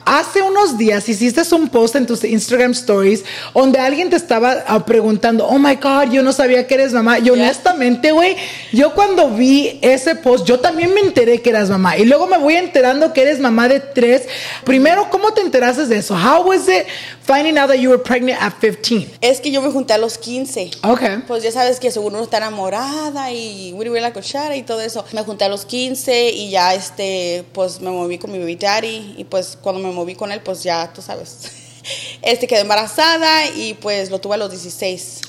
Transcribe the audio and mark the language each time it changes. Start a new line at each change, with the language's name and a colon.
Spanish: Hace unos días hiciste un post en tus Instagram stories donde alguien te estaba preguntando,
English: oh my God,
Spanish: yo no sabía que eres mamá. Y honestamente, güey, yo cuando vi ese post, yo también me enteré que eras mamá. Y luego me voy enterando que eres mamá de tres. Primero, ¿cómo te enteraste de eso?
English: How was it finding out that you were pregnant at 15?
Spanish: Es que yo me junté a los 15. Okay. Pues ya sabes que según uno está enamorada y voy a la cochara y todo eso. Me junté a los 15 y ya pues me moví con mi
English: baby daddy,
Spanish: y pues cuando me moví con él, pues ya tú sabes, quedé embarazada y pues lo tuve a los 16.